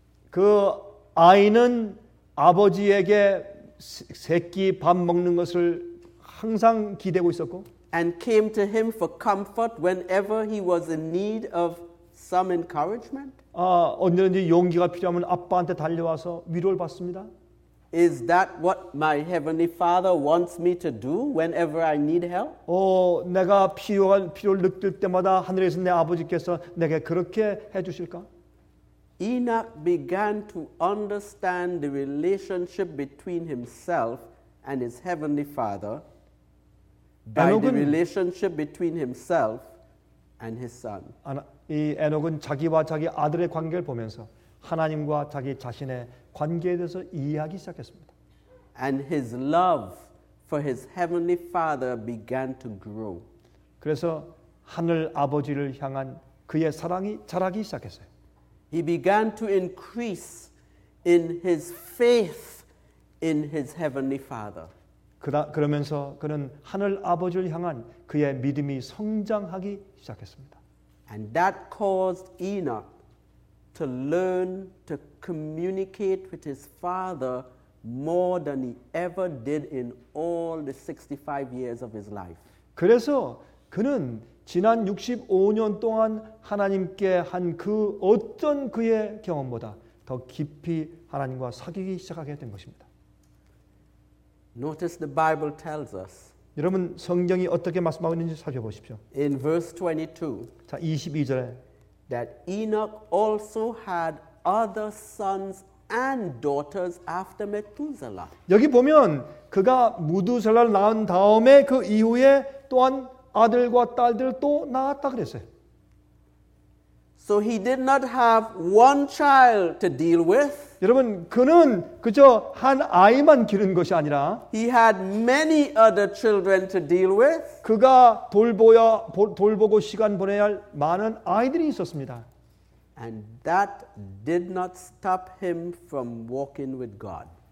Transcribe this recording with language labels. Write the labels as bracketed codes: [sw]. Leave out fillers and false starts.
[ko] 그 아이는 아버지에게 새끼 밥 먹는 것을 항상 기대고 있었고 [en] and came to him for comfort whenever he was in need of some encouragement. [ko] 아, 언제든지 용기가 필요하면 아빠한테 달려와서 위로를 받습니다. [en] Is that what my heavenly father wants me to do whenever I need help? [ko] 어, 내가 필요를 느낄 때마다 하늘에서 내 아버지께서 내게 그렇게 해 주실까? [en] Enoch began to understand the relationship between himself and his heavenly father by the relationship between himself and his son. [ko] 이 에녹은 자기와 자기 아들의 관계를 보면서 하나님과 자기 자신의 관계에 대해서 이해하기 시작했습니다. [en] And his love for his heavenly father began to grow. [ko] 그래서 하늘 아버지를 향한 그의 사랑이 자라기 시작했어요. [en] He began to increase in his faith in his heavenly father. [ko] 그러면서 그는 하늘 아버지를 향한 그의 믿음이 성장하기 시작했습니다. [en] And that caused Enoch to learn to communicate with his father more than he ever did in all the 65 years of his life. [ko] 그래서 그는 지난 65년 동안 하나님께 한 그 어떤 그의 경험보다 더 깊이 하나님과 사귀기 시작하게 된 것입니다. [en] Notice the Bible tells us. [ko] 여러분 성경이 어떻게 말씀하고 있는지 살펴보십시오. [en] In verse 22. [ko] 자, 22절에 [en] that Enoch also had other sons and daughters after Methuselah. [ko] 여기 보면 그가 무두셀라를 낳은 다음에 그 이후에 또한 아들과 딸들 또 낳았다 그랬어요. [en] So he did not have one child to deal with. [ko] 여러분, 그는 그저 한 아이만 기른 것이 아니라 [en] he had many other children to deal with. [ko] 그가 돌보고 시간 보내야 할 많은 아이들이 있었습니다. [en] And that did not stop him from walking with God.